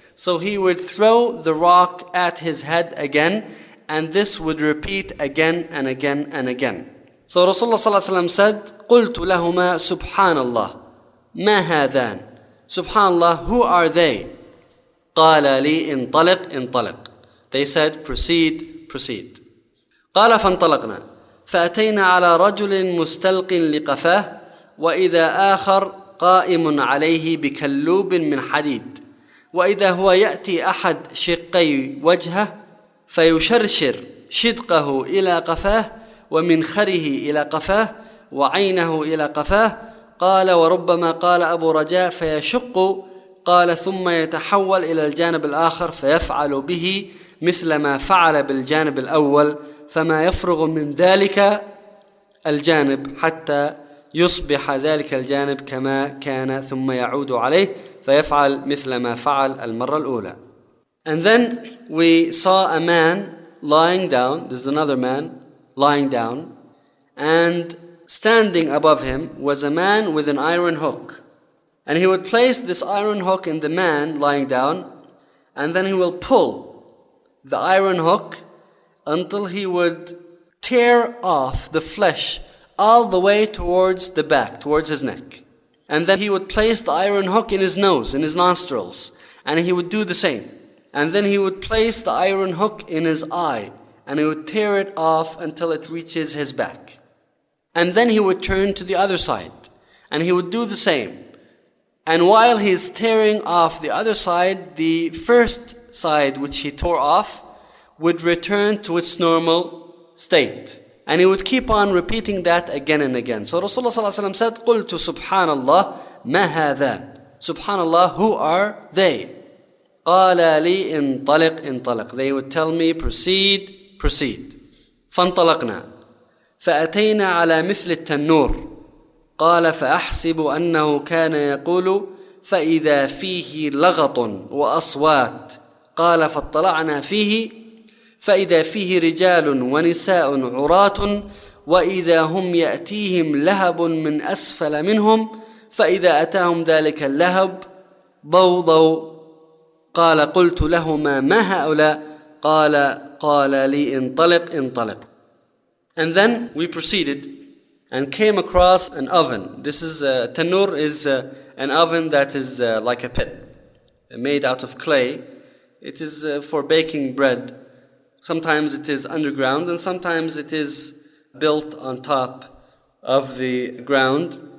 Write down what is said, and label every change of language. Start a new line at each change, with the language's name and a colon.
English: So he would throw the rock at his head again, and this would repeat again and again and again. So Rasulullah sallallahu alaihi wasallam said,
Arabic: قلت لهما سبحان الله ما هذان.
English: سبحان الله, who are they?
Arabic: قال لي انطلق انطلق.
English: They said, proceed, proceed.
Arabic: قال فانطلقنا. فأتينا على رجل مستلق لقفاه وإذا آخر قائم عليه بكلوب من حديد وإذا هو يأتي أحد شقي وجهه فيشرشر شدقه إلى قفاه ومنخره إلى قفاه وعينه إلى قفاه. قال وربما قال أبو رجاء فيشق. قال ثم يتحول إلى الجانب الآخر فيفعل به مثل ما فعل بالجانب الأول فما يفرغ من ذلك الجانب حتى يصبح ذلك الجانب كما كان ثم يعود عليه فيفعل مثل ما فعل المرة الأولى.
English: And then we saw a man lying down. This is another man lying down, and standing above him was a man with an iron hook, and he would place this iron hook in the man lying down, and then he will pull the iron hook until he would tear off the flesh all the way towards the back, towards his neck. And then he would place the iron hook in his nose, in his nostrils, and he would do the same. And then he would place the iron hook in his eye, and he would tear it off until it reaches his back. And then he would turn to the other side, and he would do the same. And while he's tearing off the other side, the first side which he tore off would return to its normal state. And he would keep on repeating that again and again. So Rasulullah ﷺ said,
Arabic: قلت سبحان الله ما هذا.
English: سبحان الله, who are they?
Arabic: قال لي انطلق انطلق.
English: They would tell me, proceed, proceed.
Arabic: فانطلقنا. فأتينا على مثل التنور. قال فأحسب أنه كان يقول فإذا فيه لغط وأصوات. قال فاطلعنا فيه فإذا فيه رجال ونساء عراة وإذا هم يأتيهم لهب من أسفل منهم فإذا أتاهم ذلك اللهب ضوضوا. قال قلت لهما ما هؤلاء؟ قال لي انطلق انطلق.
English: And then we proceeded and came across an oven. This is tanur is an oven that is like a pit made out of clay. It is for baking bread. Sometimes it is underground and sometimes it is built on top of the ground.